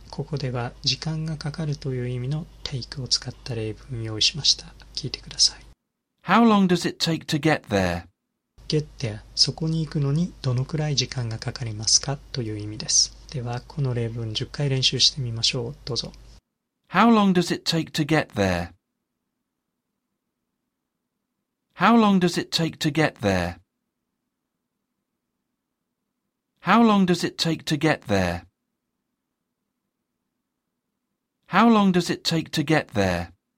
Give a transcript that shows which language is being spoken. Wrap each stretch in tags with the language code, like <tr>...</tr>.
<ja>ここでは時間がかかるという意味の take を使った例文を用意しました。聞いてください。</ja> <en>How long does it take to get there? Get there.</en> <ja>そこに行くのにどのくらい時間がかかりますかという意味です。ではこの例文10回練習してみましょう。どうぞ。</ja> <en>How long does it take to get there? How long does it take to get there? How long does it take to get there? How long does it take to get there?</en>